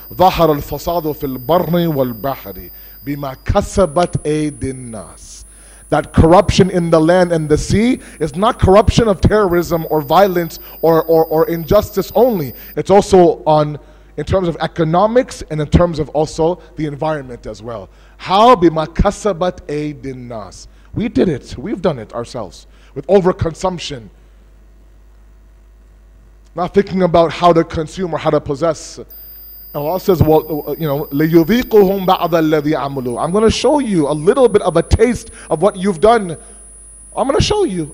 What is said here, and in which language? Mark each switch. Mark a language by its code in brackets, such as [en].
[ar] ظَهَرَ الْفَصَادُ فِي الْبَرِّ وَالْبَحْرِ بِمَا كَسَبَتْ أَيْدِ النَّاسِ. [en] That corruption in the land and the sea is not corruption of terrorism or violence or injustice only. It's also on in terms of economics and in terms of also the environment as well. How [ar] بِمَا كَسَبَتْ أَيْدِ النَّاسِ. [en] We did it. We've done it ourselves with overconsumption. Not thinking about how to consume or how to possess. And Allah says, well, you know, [ar] لَيُذِيقُهُمْ بَعْضَ الَّذِي عَمُلُوا. [en] I'm going to show you a little bit of a taste of what you've done. I'm going to show you.